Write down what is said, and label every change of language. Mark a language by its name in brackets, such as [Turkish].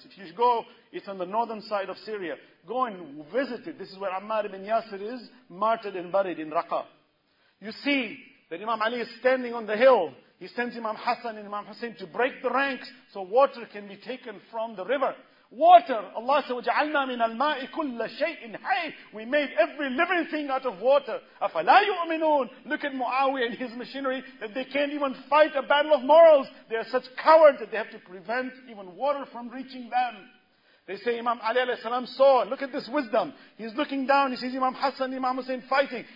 [English] If you go, it's on the northern side of Syria. Go and visit it. This is where Ammar ibn Yasir is, martyred and buried in Raqqa. You see that Imam Ali is standing on the hill. He sends Imam Hassan and Imam Hussein to break the ranks so water can be taken from the river. Water. Allah said, [Arabic] وَجَعَلْنَا مِنَ الْمَاءِ كُلَّ شَيْءٍ حَيْءٍ. [English] We made every living thing out of water. [Arabic] أَفَلَا يُؤْمِنُونَ. [English] Look at Muawiyah and his machinery, that they can't even fight a battle of morals. They are such cowards that they have to prevent even water from reaching them. They say Imam Ali alayhi salam saw, look at this wisdom. He's looking down, he sees Imam Hassan, Imam Hussein fighting.